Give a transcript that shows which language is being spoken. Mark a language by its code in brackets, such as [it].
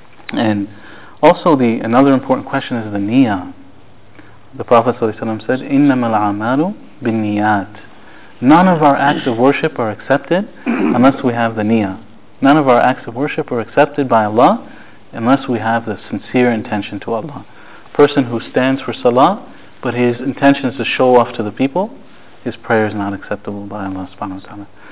[en] And also another important question is the niyyah. The Prophet ﷺ said, [ar] إِنَّمَا الْعَمَالُ بِالنِّيَّاتِ. [en] None of our acts of worship are accepted unless we have the niyyah. None of our acts of worship are accepted by Allah unless we have the sincere intention to Allah. A person who stands for salah, but his intention is to show off to the people, his prayer is not acceptable by Allah subhanahu wa ta'ala.